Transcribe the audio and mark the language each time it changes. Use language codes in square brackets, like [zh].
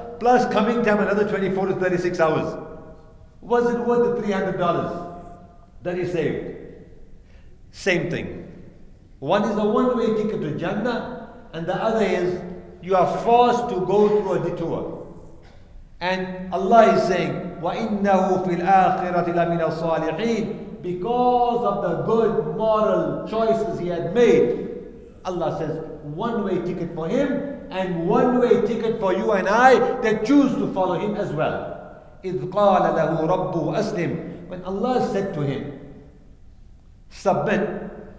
[en] Plus coming time, another 24 to 36 hours. Was it worth the $300 that he saved? Same thing. One is a one-way ticket to Jannah, and the other is you are forced to go through a detour. And Allah is saying, [ar] وَإِنَّهُ فِي الْآخِرَةِ لَمِنَ الصَّالِحِينَ. [en] Because of the good moral choices he had made, Allah says, one-way ticket for him and one-way ticket for you and I that choose to follow him as well. [ar] إِذْ قَالَ لَهُ رَبُّهُ أَسْلِمْ. [en] When Allah said to him, submit.